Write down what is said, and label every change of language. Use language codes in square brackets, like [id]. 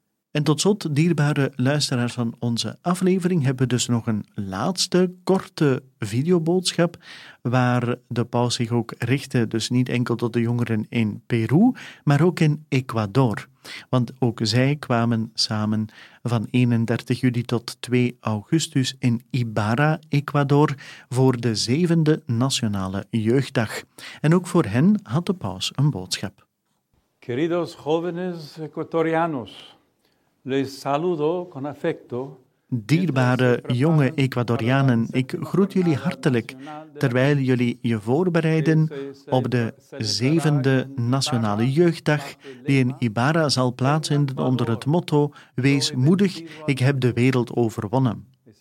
[nl] En tot slot, dierbare luisteraars van onze aflevering, hebben we dus nog een laatste korte videoboodschap waar de paus zich ook richtte, dus niet enkel tot de jongeren in Peru, maar ook in Ecuador. Want ook zij kwamen samen van 31 juli tot 2 augustus in Ibarra, Ecuador, voor de 7e Nationale Jeugddag. En ook voor hen had de paus een boodschap. [es] Queridos jóvenes ecuatorianos, les saludo con afecto. [nl] Dierbare jonge Ecuadorianen, ik groet jullie hartelijk terwijl jullie je voorbereiden op de 7e Nationale Jeugddag die in Ibarra zal plaatsvinden onder het motto Wees moedig, ik heb de wereld overwonnen.